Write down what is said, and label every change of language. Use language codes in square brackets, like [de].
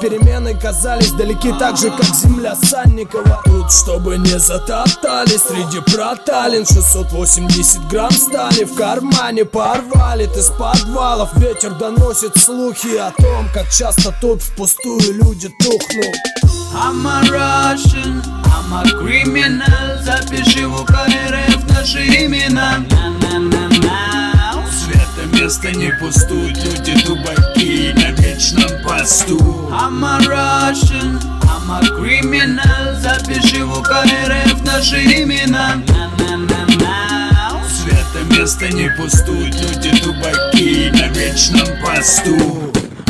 [ru] Перемены казались далеки так же, как земля Санникова. Тут, чтобы не затоптали, среди проталин 680 грамм стали в кармане. Порвалит из подвалов. Ветер доносит слухи о том, как часто тут впустую люди тухнут. [en] I'm a Russian, I'm a criminal. [ru] Запиши в УКРФ наши имена. Свято место не пустует, люди дубаки на вечном посту. [en] I'm a Russian, I'm a criminal. [ru] Запиши в УКРФ наши имена. Свято место не пустует, люди дубаки на вечном посту.